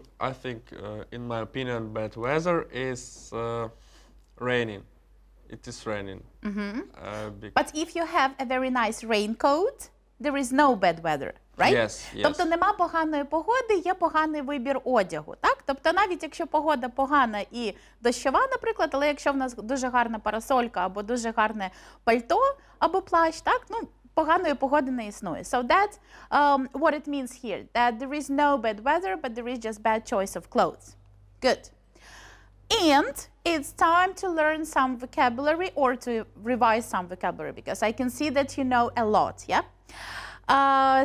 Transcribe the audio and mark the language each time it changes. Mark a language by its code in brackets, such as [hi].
[en] I think, in my opinion, bad weather is raining. It is raining. Mm-hmm. But if you have a very nice raincoat, there is no bad weather. Right? Yes, yes. [uk] Тобто нема поганої погоди, є поганий вибір одягу, так? Тобто навіть якщо погода погана і дощова, наприклад, але якщо в нас дуже гарна парасолька або дуже гарне пальто або плащ, так? Ну, поганої погоди не існує. [en] So that's what it means here, that there is no bad weather, but there is just bad choice of clothes. Good. And it's time to learn some vocabulary or to revise some vocabulary, because I can see that you know a lot, yeah?